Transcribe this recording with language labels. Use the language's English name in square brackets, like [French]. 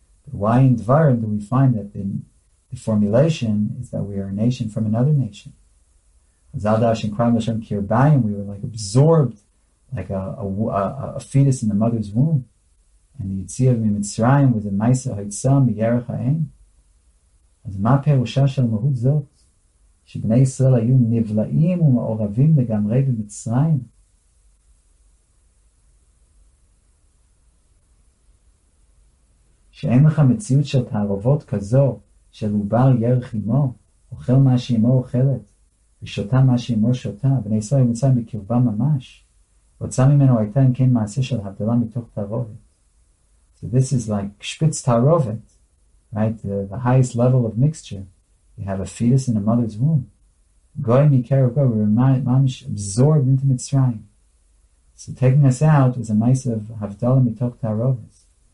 [English] But why in Dvarim do we find that the formulation is that we are a nation from another nation? [Hebrew] Chazal dashin kram l'shem kirbayim, [English] we were like absorbed, like a fetus in the mother's womb. And the Yitzis of Mitzrayim was a [Hebrew] maisa hotza miyerech ha'em. אז מה פירושה של מהות זאת? שבני ישראל היו נבלעים ומעורבים לגמרי במצרים. שאין לך מציאות של תערובות כזו, של עובר ירח אמו, אוכל מה שאמו אוכלת, ושותה מה שאמו שותה, בני ישראל היו מצרים בקרבה ממש, רוצה ממנו הייתה אם כן מעשה של הבדלה מתוך תערובת. [English] So this is like [Hebrew] שפיץ תערובת. [English] Right, the highest level of mixture. You have a fetus in a mother's womb. [Hebrew] Goy mikarev goy, [English] we're mamish absorbed into Mitzrayim. So taking us out was a mice of havdalah mitoch tarovis.